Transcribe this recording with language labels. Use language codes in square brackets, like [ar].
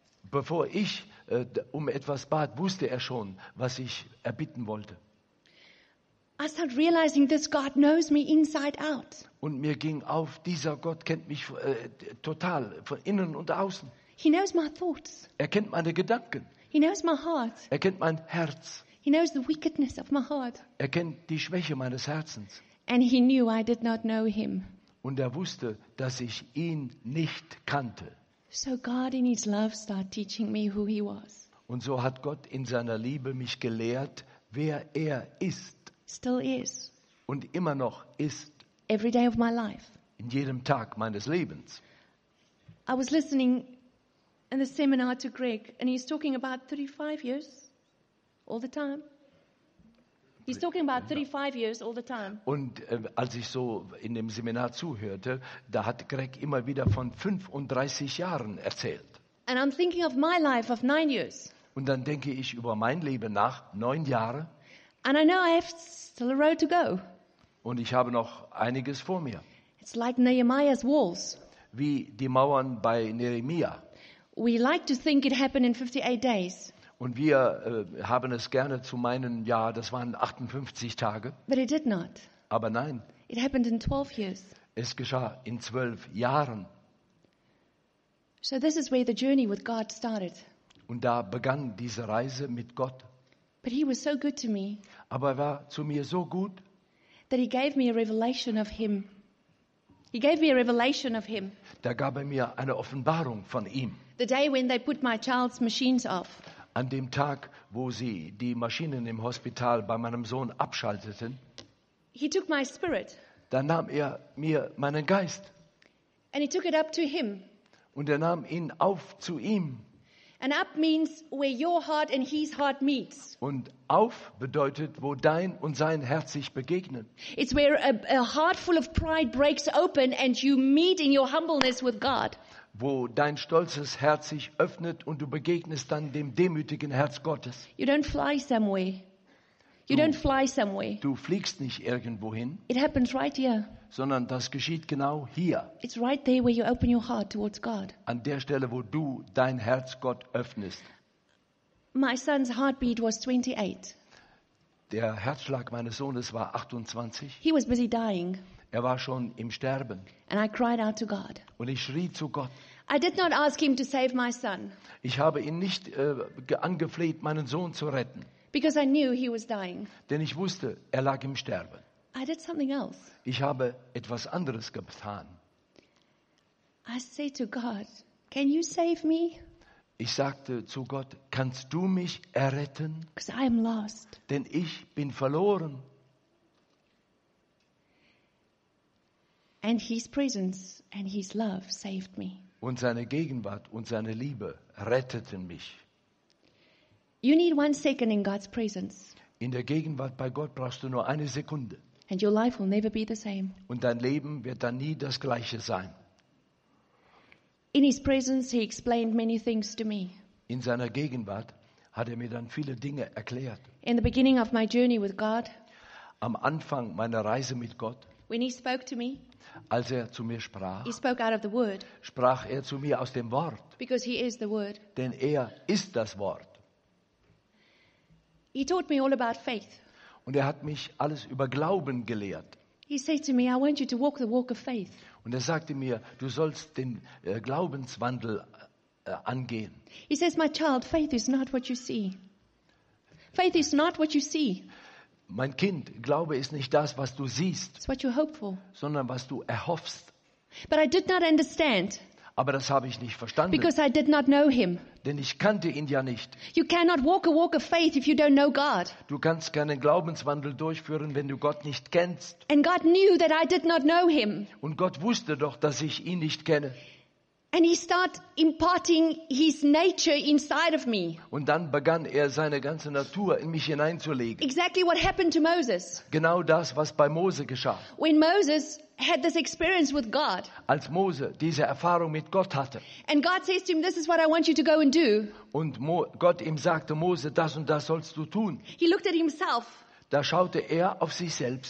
[de] Bevor ich um etwas bat, wusste er schon, was ich erbitten wollte. [en] I started realizing this God knows me inside out. [de] Und mir ging auf, dieser Gott kennt mich total, von innen und außen. [en] He knows my thoughts. [de] Er kennt meine Gedanken. [en] He knows my heart. [de] Er kennt mein Herz. [en] He knows the wickedness of my heart. [de] Er kennt die Schwäche meines Herzens. [en] And he knew I did not know him. [de] Und er wusste, dass ich ihn nicht kannte. [en] So God in his love started teaching me who he was. [de] Und so hat Gott in seiner Liebe mich gelehrt, wer er ist. [en] Still is. [de] Und immer noch ist. [en] Every day of my life. [de] In jedem Tag meines Lebens. [en] I was listening in the seminar to Greg, and he's talking about 35 years all the time. He's talking about 35 years all the time. [de] Und als ich so in dem Seminar zuhörte, da hat Greg immer wieder von 35 Jahren erzählt. [en] And I'm thinking of my life of 9 years. [de] Und dann denke ich über mein Leben nach 9 Jahre. [en] And I know I have still a road to go. [de] Und ich habe noch einiges vor mir. [en] It's like Nehemiah's walls. [de] Wie die Mauern bei Nehemia. [en] We like to think it happened in 58 days. [de] Und wir haben es gerne zu meinen, ja, das waren 58 Tage. [en] But it did not. [de] Aber nein. [en] It happened in 12 years. [de] Es geschah in 12 Jahren. [en] So this is where the journey with God started. [de] Und da begann diese Reise mit Gott. [en] But he was so good to me. [de] Aber er war zu mir so gut. [en] That he gave me a revelation of him. He gave me a revelation of him. [de] Da gab er mir eine Offenbarung von ihm. [en] The day when they put my child's machines off. [de] An dem Tag, wo sie die Maschinen im Hospital bei meinem Sohn abschalteten. [en] He took my spirit. [de] Da nahm er mir meinen Geist. [en] And he took it up to him. [de] Und er nahm ihn auf zu ihm. [en] And up means where your heart and his heart meets. [de] Und auf bedeutet, wo dein und sein Herz sich begegnen. [en] It's where a heart full of pride breaks open and you meet in your humbleness with God. [de] Wo dein stolzes Herz sich öffnet und du begegnest dann dem demütigen Herz Gottes. [en] You don't fly somewhere. You don't fly somewhere. [de] Du fliegst nicht irgendwohin. [en] It happens right here. [de] Sondern das geschieht genau hier. [en] It's right there where you open your heart towards God. [de] An der Stelle, wo du dein Herz Gott öffnest. [en] My son's heartbeat was 28. [de] Der Herzschlag meines Sohnes war 28. [en] He was busy dying. [de] Er war schon im Sterben. [en] And I cried out to God. [de] Und ich schrie zu Gott. [en] I did not ask him to save my son. [de] Ich habe ihn nicht angefleht, meinen Sohn zu retten. [en] Because I knew he was dying. [de] Denn ich wusste, er lag im Sterben. [en] I did something else. [de] Ich habe etwas anderes getan. [en] I said to God, "Can you save me?" [de] Ich sagte zu Gott, kannst du mich erretten? [en] Because I am lost. [de] Denn ich bin verloren. [en] And his presence and his love saved me. [de] Und seine Gegenwart und seine Liebe retteten mich. [en] You need 1 second in God's presence. [de] In der Gegenwart bei Gott brauchst du nur eine Sekunde. [en] And your life will never be the same. [de] Und dein Leben wird dann nie das gleiche sein. [en] In his presence, he explained many things to me. [de] In seiner Gegenwart hat er mir dann viele Dinge erklärt. [en] In the beginning of my journey with God, [de] am Anfang meiner Reise mit Gott, [en] when he spoke to me, [de] als er zu mir sprach, [en] he spoke out of the word, [de] sprach er zu mir aus dem Wort, [en] because he is the word. [de] Denn er ist das Wort. [en] He taught me all about faith. [de] Und er hat mich alles über Glauben gelehrt. [en] He said to me, I want you to walk the walk of faith. [de] Und er sagte mir, du sollst den Glaubenswandel angehen. [en] He says, my child, faith is not what you see. Faith is not what you see. [de] Mein Kind, Glaube ist nicht das, was du siehst, [en] it's what you hope for. [de] Sondern was du erhoffst. [en] But I did not understand. [de] Aber das habe ich nicht verstanden. [en] Because I did not know him. [de] Denn ich kannte ihn ja nicht. [en] You cannot walk a walk of faith if you don't know God. [de] Du kannst keinen Glaubenswandel durchführen, wenn du Gott nicht kennst. [en] And God knew that I did not know him. [de] Und Gott wusste doch, dass ich ihn nicht kenne. [en] And he start imparting his nature inside of me. [de] Und dann begann er seine ganze Natur in mich hineinzulegen. [en] Exactly what happened to Moses. [de] Genau das, was bei Mose geschah. [en] When Moses had this experience with God. [de] Als Mose diese Erfahrung mit Gott hatte. [en] And God says to him, this is what I want you to go and do. [de] Und Gott ihm sagte, Mose, das und das sollst du tun. [en] He looked at himself. [de] Da schaute er auf sich selbst.